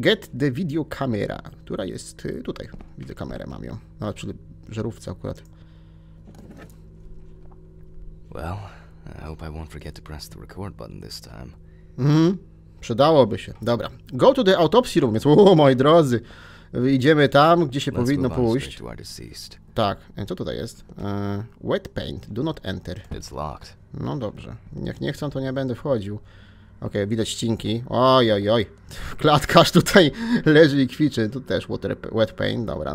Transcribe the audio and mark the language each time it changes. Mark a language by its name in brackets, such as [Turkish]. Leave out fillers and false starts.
[English] Get the video camera, [Polish] która jest tutaj. Widzę kamerę, mam ją. Nawet przy żarówce akurat. [English] Well, I hope I won't forget to press the record button this time. [Polish] Mhm. Przydałoby się. Dobra. [English] Go to the autopsy room, [Polish] więc moi drodzy. Idziemy tam, gdzie się powinno pójść. Tak. Co tutaj jest? [English] Wet paint. Do not enter. It's locked. [Polish] No dobrze. Jak nie chcą, to nie będę wchodził. Okej, okay, widać ścinki. Oj. Klatkarz tutaj leży i kwiczy. Tu też [English] wet paint. [Polish] Dobra.